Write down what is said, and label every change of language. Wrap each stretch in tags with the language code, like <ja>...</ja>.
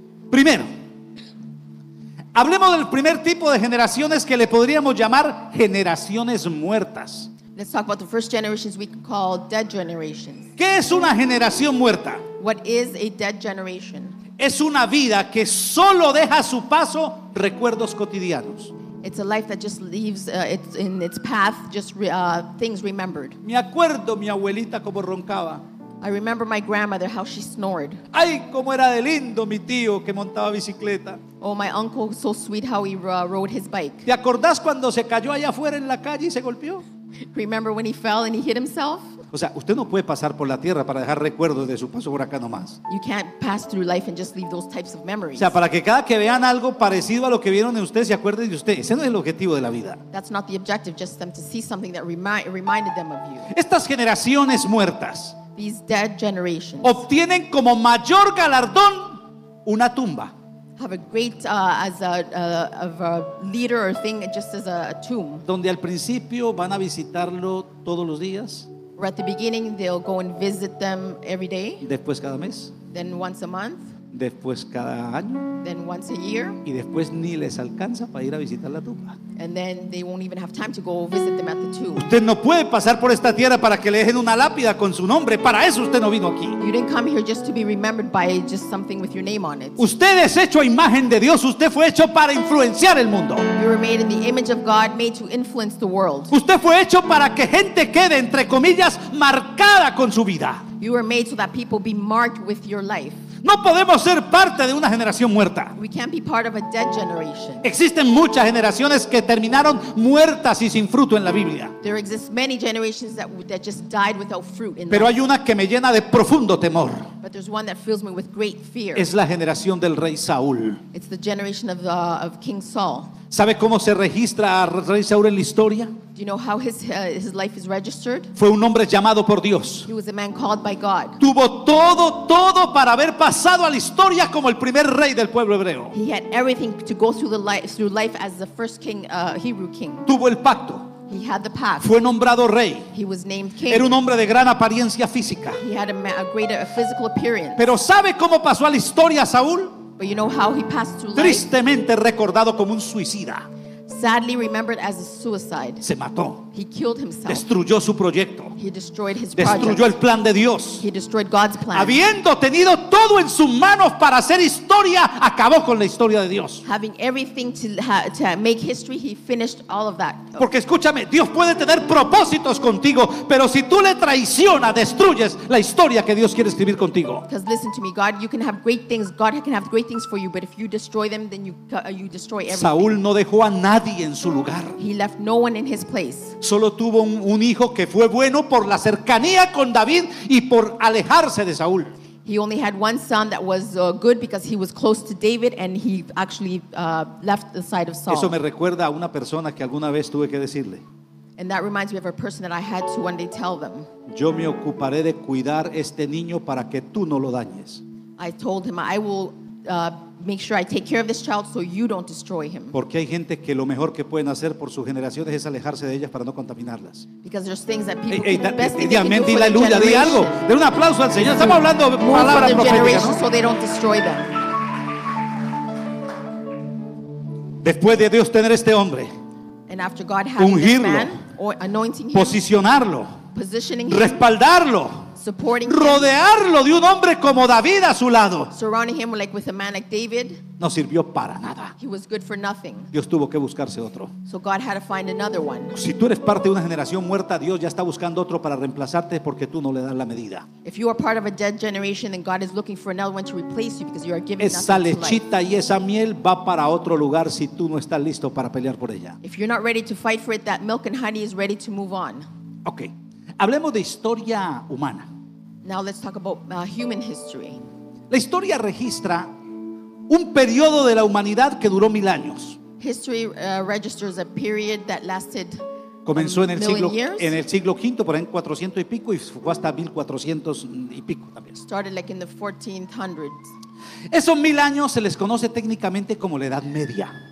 <es>Primero, hablemos del primer tipo de generaciones que le podríamos llamar generaciones muertas.</es> <en>Let's talk about the first generations we call dead generations.</en> <es>¿Qué es una generación muerta?</es> <en>What is a dead generation?</en> <es>Es una vida que solo deja a su paso recuerdos cotidianos.</es> <en>It's a life that just leaves it's in its path just things remembered.</en> <es>Me acuerdo mi abuelita como roncaba.</es> <en>I remember my grandmother how she snored.</en> <es>Ay, cómo era de lindo mi tío que montaba bicicleta.</es> <en>Oh, my uncle so sweet how he rode his bike.</en> <es>¿Te acordás cuando se cayó allá afuera en la calle y se golpeó?</es> <en>Remember when he fell and he hit himself?</en> <es>O sea, usted no puede pasar por la tierra para dejar recuerdos de su paso por acá nomás.</es> <en>You can't pass through life and just leave those types of memories.</en> <es>O sea, para que cada que vean algo parecido a lo que vieron en usted se acuerden de usted. Ese no es el objetivo de la vida.</es> <en>That's not the objective, just them to see something that reminded them of you.</en> <es>Estas generaciones muertas,</es> <en>these dead generations,</en> <es>obtienen como mayor galardón una tumba.</es> <en>Have a great as a of a leader or thing just as a tomb.</en> <es>Donde al principio van a visitarlo todos los días.</es> <en>Or at the beginning they'll go and visit them every day.</en> <es>Después cada mes.</es> <en>Then once a month.</en> <es>después cada año.</es> <en>Then once a year.</en> <es>Y después ni les alcanza para ir a visitar la tumba.</es> <en>And then they won't even have time to go visit them at the tomb.</en> <es>Usted no puede pasar por esta tierra para que le dejen una lápida con su nombre. Para eso usted no vino aquí.</es> <en>You didn't come here just to be remembered by just something with your name on it.</en> <es>Usted es hecho a imagen de Dios. Usted fue hecho para influenciar el mundo.</es> <en>You were made in the image of God, made to influence the world.</en> <es>Usted fue hecho para que gente quede entre comillas marcada con su vida.</es> <en>You were made so that people be marked with your life.</en> <es>No podemos ser parte de una generación muerta.</es> <en>We can't be part of a dead generation.</en> <es>Existen muchas generaciones que terminaron muertas y sin fruto en la Biblia.</es> <en>There exist many generations that just died without fruit in.</en> <es>Pero hay una que me llena de profundo temor.</es> <en>But there's one that fills me with great fear.</en> <es>Es la generación del rey Saúl.</es> <en>It's the generation of King Saul.</en> <es>¿Sabe cómo se registra a rey Saúl en la historia?</es> <en>Do you know how his life is registered?</en> <es>Fue un hombre llamado por Dios.</es> <en>He was a man called by God.</en> <es>Tuvo todo para haber pasado a la historia como el primer rey del pueblo hebreo.</es> <en>He had everything to go through the through life as the first king, Hebrew king.</en> <es>Tuvo el pacto.</es> <en>He had the pact.</en> <es>Fue nombrado rey.</es> <en>He was named king.</en> <es>Era un hombre de gran apariencia física.</es> <en>He had a greater physical appearance.</en> <es>Pero ¿sabe cómo pasó a la historia Saúl?</es> <en>But you know how he passed through life?</en> <es>Tristemente recordado como un suicida.</es> <en>Sadly remembered as a suicide.</en> <es>Se mató.</es> <en>He killed himself.</en> <es>Destruyó su proyecto.</es> <en>He destroyed his project.</en> <es>Destruyó el plan de Dios.</es> <en>He destroyed God's plan.</en> <es>Habiendo tenido todo en sus manos para hacer historia, acabó con la historia de Dios.</es> <en>Having everything to make history, he finished all of that.</en> <es>Porque escúchame, Dios puede tener propósitos contigo, pero si tú le traicionas, destruyes la historia que Dios quiere escribir contigo.</es> <en>Because listen to me, God, you can have great things. God can have great things for you, but if you destroy them, then you destroy everything.</en> <es>Saúl no dejó a nadie en su lugar.</es> <en>He left no one in his place.</en> <es>Solo tuvo un hijo que fue bueno por la cercanía con David y por alejarse de Saúl.</es> <en>He only had one son that was good because he was close to David and he actually left the side of Saul.</en> <es>Eso me recuerda a una persona que alguna vez tuve que decirle.</es> <en>And that reminds me of a person that I had to one day tell them.</en> <es>Yo me ocuparé de cuidar este niño para que tú no lo dañes.</es> <en>I told him I will make sure I take care of this child so you don't destroy him.</en> <es>Porque hay gente que lo mejor que pueden hacer por sus generaciones es alejarse de ellas para no contaminarlas.</es> <en>Because there's things that people can do.</en> <es>Aleluya, di algo. De un aplauso al Señor. Estamos hablando de palabra profética, ¿no?</es> <en>So they don't destroy them.</en> <es>Después de Dios tener este hombre,</es> <en>and after God having</en> <es>ungirlo,</es> <en>this man, or anointing him,</en> <es>posicionarlo,</es> <en>positioning him,</en> <es>respaldarlo,</es> <en>supporting him,</en> <es>rodearlo de un hombre como David a su lado,</es> <en>surrounding him like with a man like David,</en> <es>no sirvió para nada.</es> <en>He was good for nothing.</en> <es>Dios tuvo que buscarse otro.</es> <en>So God had to find another one.</en> <es>Si tú eres parte de una generación muerta, Dios ya está buscando otro para reemplazarte porque tú no le das la medida.</es> <en>If you are part of a dead generation, then God is looking for another one to replace you because you are giving nothing to life.</en> <es>Esa lechita y esa miel va para otro lugar si tú no estás listo para pelear por ella.</es> <en>If you're not ready to fight for it, that milk and honey is ready to move on. Okay.</en> <es>Hablemos de historia humana.</es> <en>Now let's talk about human history.</en> <es>La historia registra un periodo de la humanidad que duró mil años.</es> <en>History registers a period that lasted.</en> <es>Comenzó en el siglo V, por ahí en 400 y pico, y fue hasta 1400 y pico también.</es> <en>Started like in the 1400s.</en> <es>Esos mil años se les conoce técnicamente como la Edad Media.</es>